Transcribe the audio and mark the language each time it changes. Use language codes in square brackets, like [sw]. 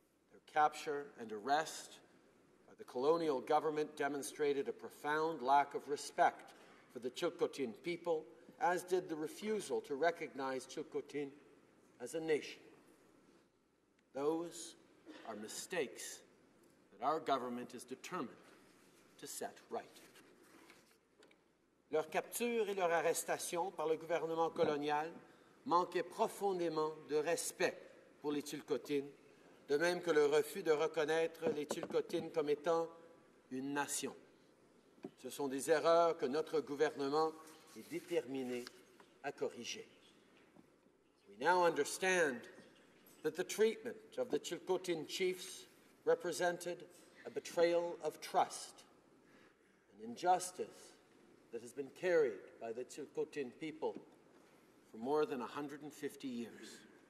[en] Their capture and arrest by the colonial government demonstrated a profound lack of respect for the Tsilhqot’in people, as did the refusal to recognize Tsilhqot’in as a nation. Those are mistakes that our government is determined to set right. [fr] Leur capture et leur arrestation par le gouvernement colonial manquaient profondément de respect pour les Tsilhqot’in, de même que le refus de reconnaître les Tsilhqot’in comme étant une nation. Ce sont des erreurs que notre gouvernement est déterminé à corriger. [en] We now understand that the treatment of the Tsilhqot’in chiefs represented a betrayal of trust, an injustice that has been carried by the Tsilhqot’in people for more than 150 years.